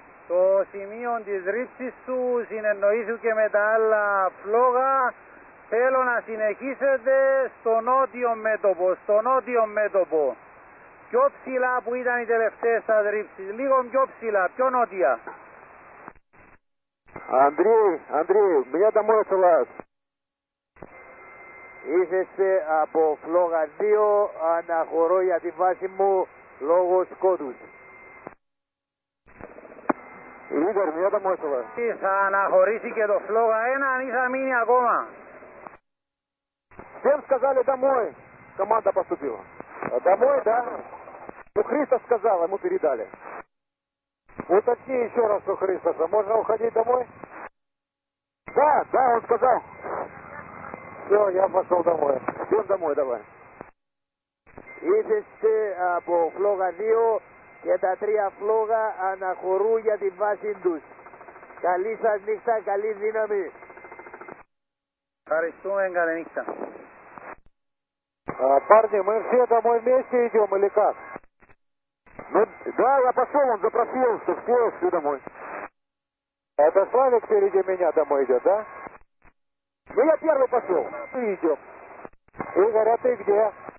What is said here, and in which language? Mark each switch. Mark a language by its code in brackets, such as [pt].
[el] Το σημείο της ρήψης σου συνεννοήθηκε και με τα άλλα φλόγα. Θέλω να συνεχίσετε στο νότιο μέτωπο, Πιο ψηλά που ήταν οι τελευταίες σας ρήψεις, λίγο πιο ψηλά, πιο νότια. [ru] Андрей, меня домой отсылают. [el] Είσαστε από φλόγα 2, αναχωρώ για τη βάση μου λόγω σκότους. [ru] Игорь, меня домой сюда. [el] Θα αναχωρήσει και το φλόγα έναν ή θα μείνει ακόμα. [ru] Всем сказали домой. Команда поступила. Домой, да? Ну, Христа сказал, ему передали. Уточни еще раз у Христа, можно уходить домой? Да, да, он сказал. Все, я пошел домой. Идем домой, давай. [el] Είσαστε από φλόγα 2 και τα τρία φλόγα αναχωρούν για τη βάση τους. Καλή σας νύχτα, καλή δύναμη. Ευχαριστούμε, καλή νύχτα. [ru] Парни, мы все домой вместе идем или как? Ну, да, я пошел, он запросил, что все домой. Это Славик впереди меня домой идет, да? Ну, я первый пошел. Мы идем. Игорь, а ты где?